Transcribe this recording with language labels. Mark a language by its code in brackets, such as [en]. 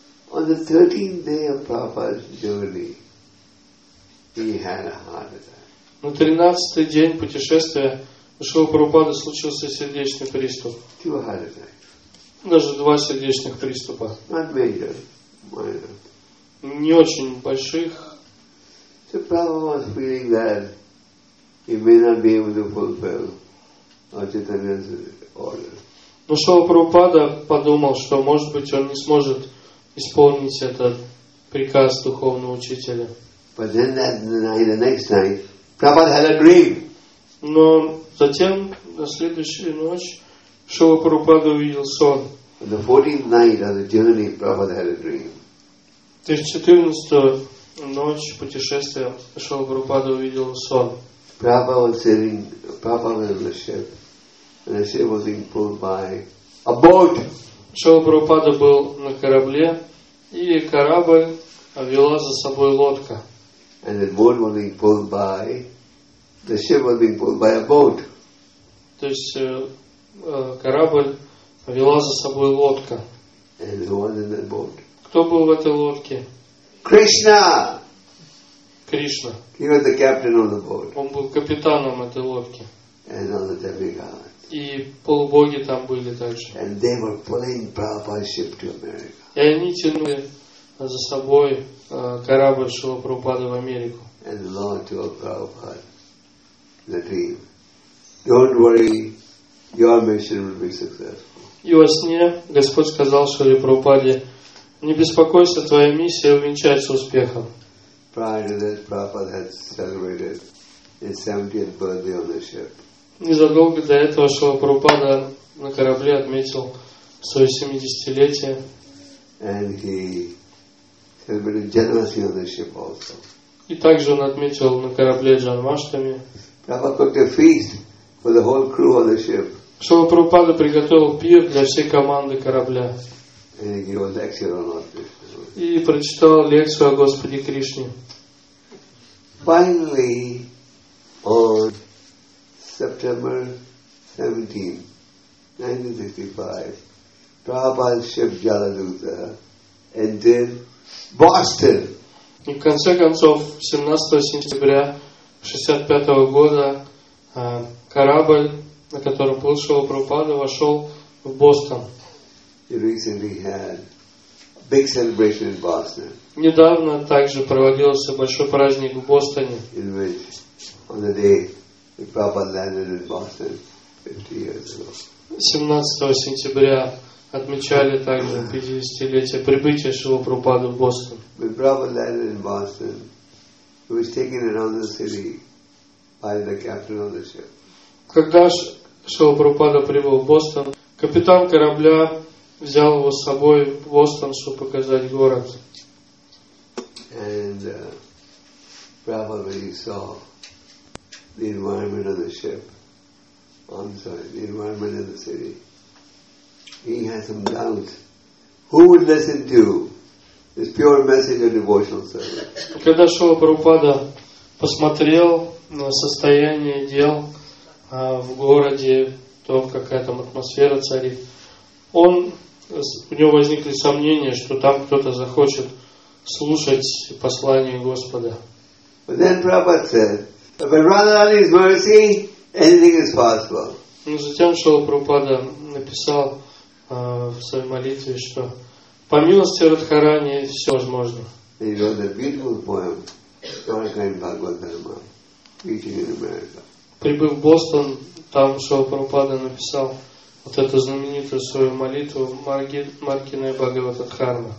[en] On the 13th day of Prabhupada's journey, he had a heart attack. [ru] На 13-й день путешествия у Шрила Прабхупады случился сердечный приступ. Даже два сердечных приступа. [en] Not major, minor. [ru] Не очень больших. [en] So Prabhupada was feeling that he may not be able to fulfill Chaitanya's order. [ru] Но Шрила Прабхупада подумал, что может быть он не сможет исполнить этот приказ духовного учителя. [en] But then that night, the next night, Prabhupada had a dream. [ru] Но затем, на следующую ночь, Шрила Прабхупада увидел сон. [en] On the 14th night of the journey, Prabhupada had a dream. [ru] То есть 14-ю ночь путешествия Шрила Прабхупада увидел сон. [en] Prabhupada was in the ship, and the ship was being pulled by a boat. [ru] Шрила Прабхупада был на корабле, и корабль вела за собой лодка. [en] And the boat was being pulled by, the ship was being pulled by a boat. [ru] То есть корабль вела за собой лодка. [en] And who was in that boat? [ru] Кто был в этой лодке? Кришна! Кришна. [en] He was the captain of the boat. [ru] Он был капитаном этой лодки. [en] And all the demigods. [ru] И полубоги там были также. [en] And they were pulling Prabhupada's ship to America. [ru] И они тянули за собой корабль Шрила Прабхупады в Америку. [en] And the Lord told Prabhupada, the dream, don't worry, your mission will be successful. [ru] И во сне Господь сказал Шриле Прабхупаде: «Не беспокойся, твоя миссия увенчается успехом». Незадолго до этого Шрила Прабхупада на корабле отметил свое 70-летие. [en] And he celebrated generosity on the ship also. [ru] И также он отметил на корабле Джанмаштами. [en] Prabhupada cooked a feast for the whole crew on the ship. [ru] Шрила Прабхупада приготовил пир для всей команды корабля. [en] And he gave a lecture on Lord Krishna. [ru] И прочитал лекцию о Господе Кришне. [en] Finally, on September 17, 1965, Prabhupada's ship Jaladuta entered Boston. [ru] И в конце концов, 17 сентября 65 года корабль, на котором плыл Шрила Прабхупада, вошел в Бостон. [en] He recently had a big celebration in Boston. [ru] Недавно также проводился большой праздник в Бостоне. [en] In which, on the day that Prabhupada landed in Boston 50 years ago. [ru] 17 сентября отмечали также 50-летие прибытия Шрила Прабхупады в Бостон. [en] When Prabhupada landed in Boston, he was taken around the city by the captain of the ship. [ru] Когда Шрила Прабхупада прибыл в Бостон, капитан корабля взял его с собой в Бостон, чтобы показать город. [en] And Prabhupada saw the environment of the ship. I'm sorry, the environment of the city. He had some doubts. Who would listen to this pure message of devotional service? [ru] Когда Шрила Прабхупада посмотрел на состояние дел в городе, то какая там атмосфера царит, он, у него возникли сомнения, что там кто-то захочет слушать послание Господа. [en] But then Prabhupada said, by Radharani's mercy, anything is possible. [ru] Но затем Шрила Прабхупада написал в своей молитве, что по милости Радхарани все возможно. [en] He wrote a beautiful poem, Gaurakanda Bhagavad Dharma, preaching in America. [ru] Прибыв в Бостон, там Шрила Прабхупада написал вот эту знаменитую свою молитву Маркинай Бхагавата Дхарма.